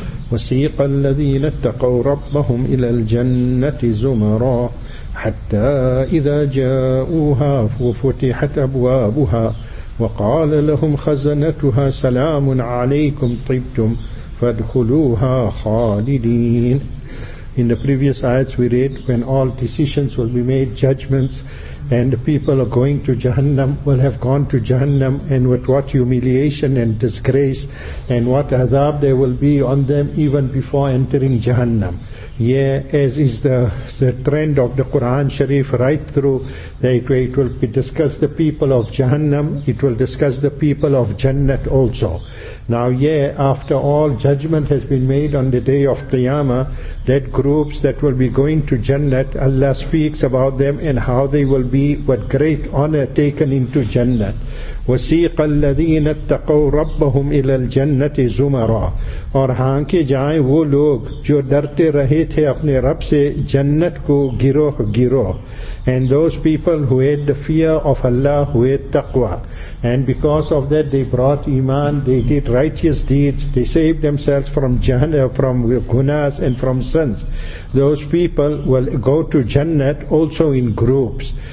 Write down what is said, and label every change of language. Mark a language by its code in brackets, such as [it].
[ar] وسيق الذين اتقوا ربهم إلى الجنة زمرا حتى إذا جاءوها ففتحت أبوابها وقال لهم خزنتها سلام عليكم طبتم فادخلوها خالدين. [en] In the previous ayats we read, when all decisions will be made, judgments, and the people are going to Jahannam, will have gone to Jahannam, and with what humiliation and disgrace, and what azab there will be on them even before entering Jahannam. Yeah, as is the trend of the Quran Sharif right through, that way it will be discuss the people of Jahannam, it will discuss the people of Jannat also. Now yeah, after all judgment has been made on the day of Qiyamah, that groups that will be going to Jannat, Allah speaks about them and how they will be with great honor taken into Jannat. [ar] وَسِيقَ الَّذِينَ اتَّقَوْ رَبَّهُمْ إِلَى الْجَنَّةِ زُمَرًا. [ur] اور ہاں کے جائیں وہ لوگ جو ڈرتے رہے تھے اپنے رب سے جنت کو گروہ گروہ. [en] And those people who had the fear of Allah, who had taqwa, and because of that they brought iman, they did righteous deeds, they saved themselves from jahannam, from gunas and from sins. Those people will go to Jannat also in groups.